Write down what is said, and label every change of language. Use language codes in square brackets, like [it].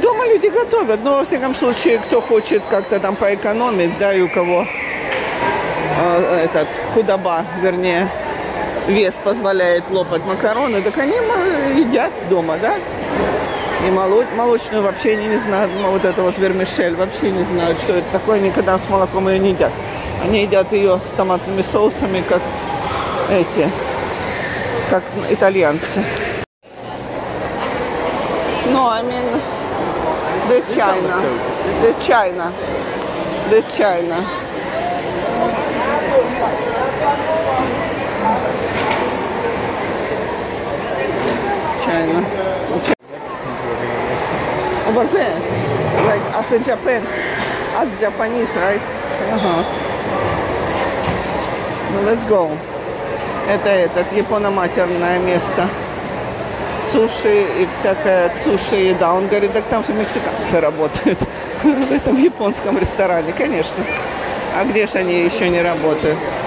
[ru] Дома люди готовят. Но, во всяком случае, кто хочет как-то там поэкономить, да, и у кого этот худоба, вернее, вес позволяет лопать макароны, так они едят дома, да? И молочную вообще не знают, ну, вот это вот вермишель вообще не знают, что это такое, никогда с молоком ее не едят. Они едят ее с томатными соусами, как эти, как итальянцы. [en] Ну, no, I mean, this China. This China. This China. Over there, like as in Japan, as Japanese, right? [ru] Ага. [en] Ну, let's go. [ru] Это япономатерное место. Суши и всякая суши еда. Он говорит, так там же мексиканцы работают. В этом японском ресторане, конечно. А где же они еще не работают?